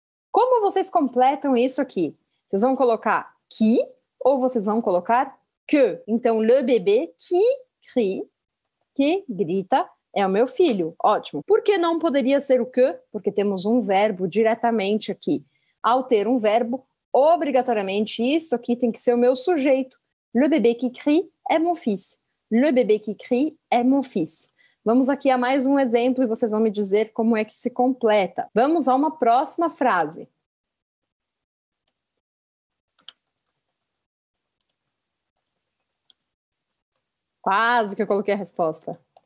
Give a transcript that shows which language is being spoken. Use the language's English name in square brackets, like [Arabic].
[Portuguese] Como vocês completam isso aqui? Vocês vão colocar que ou vocês vão colocar que? Então, [French] le bebê qui crie, [Portuguese] que grita, É o meu filho. Ótimo. Por que não poderia ser o que? Porque temos um verbo diretamente aqui. Ao ter um verbo, obrigatoriamente, isso aqui tem que ser o meu sujeito. [French] Le bébé qui crie est mon fils. Le bébé qui crie est mon fils. [Portuguese] Vamos aqui a mais um exemplo e vocês vão me dizer como é que se completa. Vamos a uma próxima frase. Quase que eu coloquei a resposta.